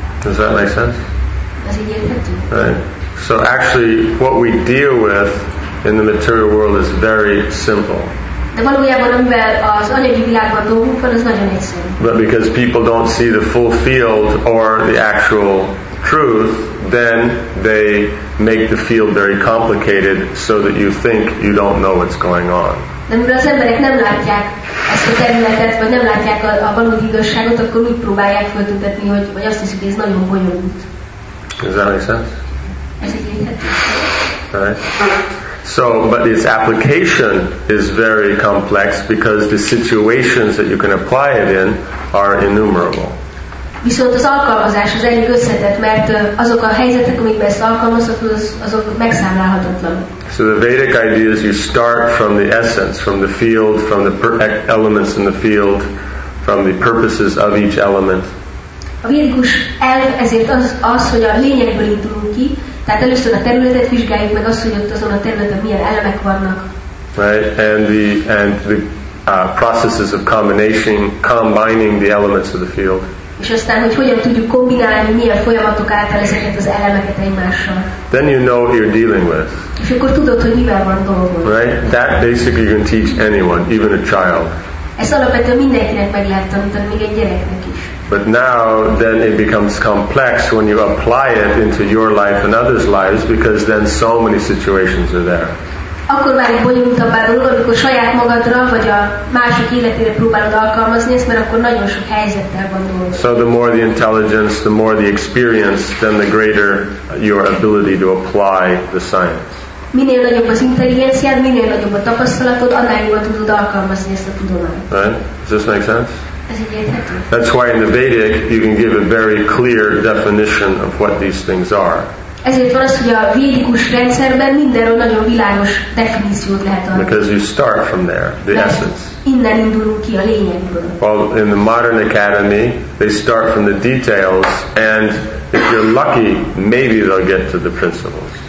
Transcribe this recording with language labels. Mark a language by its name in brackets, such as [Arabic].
[English] Does that make sense? [Hungarian] Ez így érthető? [English] Right. So actually, what we deal with in the material world is very simple. [Hungarian] De valójában, amivel az anyagi világban dolgunk van, az nagyon egyszerű. [English] But because people don't see the full field or the actual truth, then they make the field very complicated so that you think you don't know what's going on. [Hungarian] De mivel az emberek nem látják ezt a területet, vagy nem látják a valódi igazságot, akkor úgy próbálják feltüntetni, hogy azt hiszik, hogy ez nagyon bonyolult. [English] Does that make sense? Right. So, but its application is very complex because the situations that you can apply it in are innumerable. [Hungarian] Viszont az alkalmazás az elég összetett, mert azok a helyzetek, amikben ezt alkalmazhatod, azok megszámlálhatatlan. [English] So the Vedic idea is you start from the essence, from the field, from the elements in the field, from the purposes of each element. [Hungarian] A védikus elv ezért az, hogy a lényegből indulunk ki. Tehát először a területet vizsgáljuk meg azt, hogy ott azon a területen milyen elemek vannak. [English] Right, processes of combining the elements of the field. [Hungarian] És aztán, hogy hogyan tudjuk kombinálni milyen folyamatok által ezeket az elemeket egymással. [English] Then you know what you're dealing with. [Hungarian] És akkor tudod, hogy mivel van dolgod. [English] Right, that basically you can teach anyone, even a child. [Hungarian] Ezt alapvetően mindenkinek meg lehet tanítani, még egy gyereknek is. [English] But now, then it becomes complex when you apply it into your life and others' lives, because then so many situations are there. [Hungarian] Akkor már egy bonyolultabb dolog, amikor saját magadra vagy a másik életére próbálod alkalmazni ezt, mert akkor nagyon sok helyzettel van dolog. [English] So the more the intelligence, the more the experience, then the greater your ability to apply the science. [Hungarian] Minél nagyobb az intelligenciád, minél nagyobb a tapasztalatod, annál jobban tudod alkalmazni ezt a tudományt. [English] Right? Does this make sense? That's why in the Vedic you can give a very clear definition of what these things are. [Hungarian] Ezért van az, hogy a védikus rendszerben mindenről nagyon világos definíciót lehet adni. [English] Because you start from there, the essence. [Hungarian] Innen indulunk ki a lényegből. [English] Well, in the modern academy, they start from the details, and if you're lucky, maybe they'll get to the principles.